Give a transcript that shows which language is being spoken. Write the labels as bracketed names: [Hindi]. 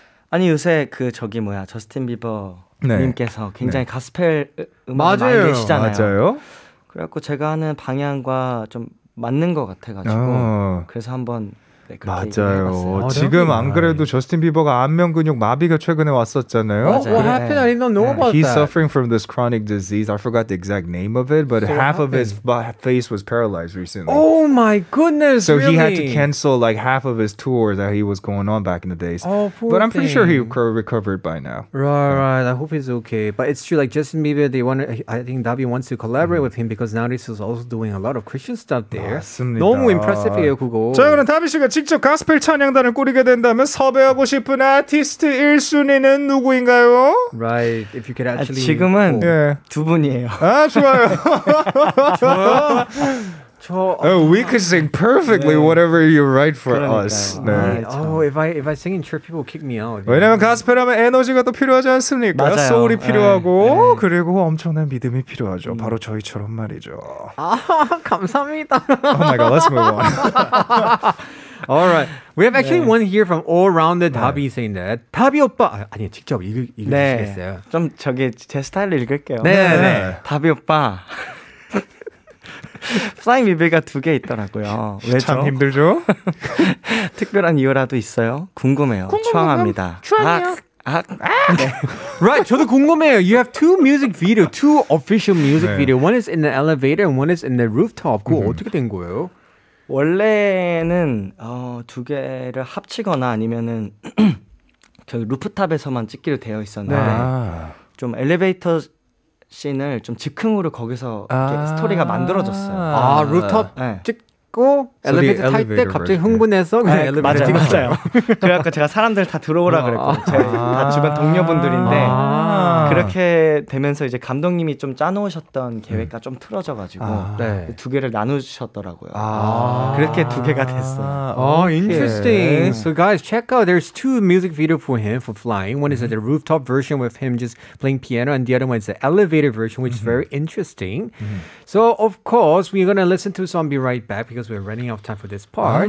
[Korean] 아니 요새 그 저기 뭐야 저스틴 비버 네. 님께서 굉장히 네. 가스펠 음악을 많이 내시잖아요. 맞아요. 그래갖고 제가 하는 방향과 좀 맞는 것 같아가지고 그래서 한번 네, 맞아요. 지금 안 그래도 저스틴 비버가 안면 근육 마비가 최근에 왔었잖아요. [English] What happened? I didn't know about that. He's suffering from this chronic disease. I forgot the exact name of it, but so half of his face was paralyzed recently. Oh my goodness! So really? He had to cancel like half of his tour that he was going on back in the days. Oh, poor but I'm pretty sure he recovered by now. Right. I hope he's okay. But it's true. Like Justin Bieber, they want. I think Davii wants to collaborate with him because nowadays he's also doing a lot of Christian stuff there. [Korean] 맞습니다. 너무 impressive이에요 그거. 자, 그럼 다비 씨가 직접 가스펠 찬양단을 꾸리게 된다면 섭외하고 싶은 아티스트 1순위는 누구인가요? [English] Right. If you could actually [Korean] 지금은 두 분이에요. 아, 좋아요. 저 [English] we could sing perfectly whatever you write for us. [Korean] 네. [English] Oh, if I sing in church people kick me out. [Korean] 왜냐면 가스펠 하면 에너지가 또 필요하지 않습니까? 맞아요. 소울이 필요하고 그리고 엄청난 믿음이 필요하죠. 바로 저희처럼 말이죠. 아, 감사합니다. [English] Oh my god, let's move on. All right. We have actually 네. one here from all-rounded Davii 네. saying that. Davii 오빠. [Korean] 아니, 직접 읽으시겠어요? 네. 좀 저기 제 스타일로 읽을게요. 네. 네. 네. Davii 오빠. 플라잉 비비가 두 개 있더라고요. 왜죠? 참 힘들죠? 특별한 이유라도 있어요? 궁금해요. 추앙합니다. 추앙해요. Right, 저도 궁금해요. [English] You have two music videos, two official music 네. videos. One is in the elevator and one is in the rooftop. [Korean] 그거 어떻게 된 거예요? 원래는 두 개를 합치거나 아니면은 저 루프탑에서만 찍기로 되어 있었는데 네. 좀 엘리베이터 씬을 좀 즉흥으로 거기서 아~ 스토리가 만들어졌어요. 아, 루프탑 네. 찍고 엘리베이터 탈 때 갑자기 흥분해서 그냥 네, 엘리베이터 찍었어요. 그래서 아까 제가 사람들 다 들어오라 그랬거든요. 아~ 다 주변 동료분들인데 아~ 그렇게 되면서 이제 감독님이 좀 짜놓으셨던 계획과 좀 틀어져가지고 아~ 네. 두 개를 나누셨더라고요. 아~ 그렇게 두 개가 됐어요. [English] 아, interesting. Yeah. So guys, check out. There's two music video for him for Flying. One is the rooftop version with him just playing piano, and the other one is the elevator version, which is very interesting. So of course, we're gonna listen to some be right back because we're running out of time for this part.